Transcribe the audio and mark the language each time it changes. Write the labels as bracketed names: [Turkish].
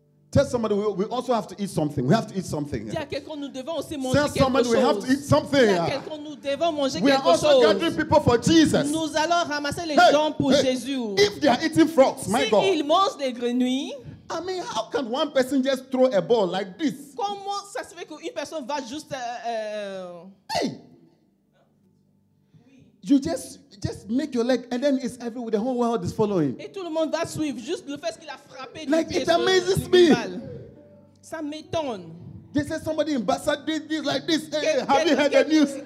[English] Tell somebody we also have to eat something. We have to eat something. Tell somebody we have to eat something. We are also gathering people for Jesus. [French] Nous allons ramasser les gens pour Jésus. [English] If they are eating frogs, my God. [French] S'ils mangent des grenouilles. [English] I mean, how can one person just throw a ball like this? [French] Comment ça se fait qu'une personne va juste... [English] Hey! You just make your leg, and then it's everywhere. The whole world is following. [French] Et tout le monde va suivre. Juste le fait qu'il a frappé. [English] Like it amazes me. [French] Ça m'étonne. [English] They said somebody in Barça did this like this. Hey, have you heard the news?